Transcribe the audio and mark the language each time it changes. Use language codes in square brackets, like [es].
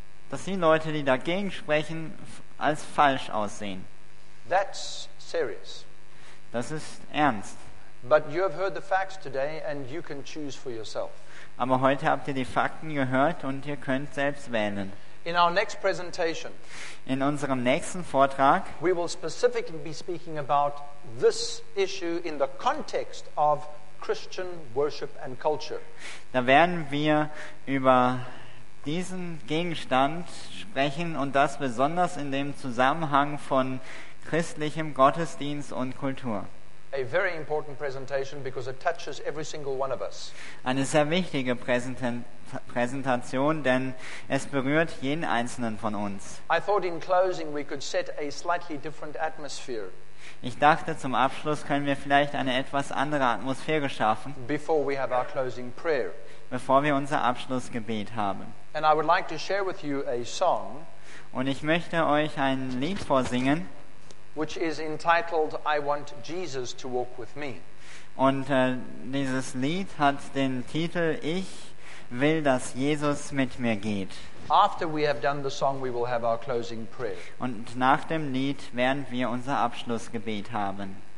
[de] Dass die Leute, die dagegen sprechen, als falsch aussehen. [en] That's serious. [de] Das ist ernst. [en] But you have heard the facts today and you can choose for yourself. [de] Aber heute habt ihr die Fakten gehört und ihr könnt selbst wählen. [en] In our next presentation, [de] in unserem nächsten Vortrag, [en] we will specifically be speaking about this issue in the context of Christian worship and culture. [de] Da werden wir über diesen Gegenstand sprechen und das besonders in dem Zusammenhang von christlichem Gottesdienst und Kultur. [en] A very important presentation because it touches every single one of us. [de] Eine sehr wichtige Präsentation, denn es berührt jeden einzelnen von uns. [en] I thought in closing we could set a slightly different atmosphere. [de] Ich dachte, zum Abschluss können wir vielleicht eine etwas andere Atmosphäre schaffen, [en] before we have our closing prayer. [de] Bevor wir unser Abschlussgebet haben. [en] And I would like to share with you a song, [de] und ich möchte euch ein Lied vorsingen, [en] which is entitled I Want Jesus to Walk with Me. [de] Und dieses Lied hat den Titel Ich will, dass Jesus mit mir geht. [en] After we have done the song, we will have our closing prayer. [de] Und nach dem Lied werden wir unser Abschlussgebet haben.